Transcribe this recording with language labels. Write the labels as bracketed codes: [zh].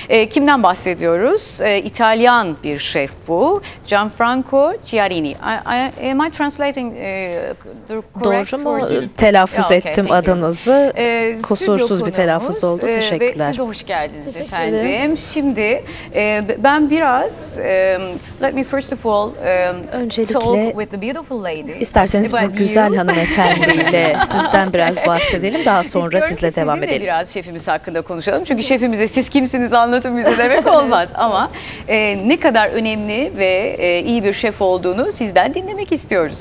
[tr] Kimden bahsediyoruz? İtalyan bir şef bu. [en] Gianfranco Chiarini. Am I translating the correct? [tr] Doğru mu? Telaffuz ettim adınızı. Kusursuz bir telaffuz oldu. Teşekkürler. Siz de hoş geldiniz efendim. Şimdi ben biraz [en] let me first of all talk with the beautiful lady. [tr] İsterseniz bu güzel hanımefendiyle sizden biraz bahsedelim, daha sonra sizle devam edelim. Sizin de biraz şefimiz hakkında konuşalım. Çünkü şefimize siz kimsiniz anlatın bize demek olmaz. Ama ne kadar önemli ve iyi bir şef olduğunu sizden dinlemek istiyoruz.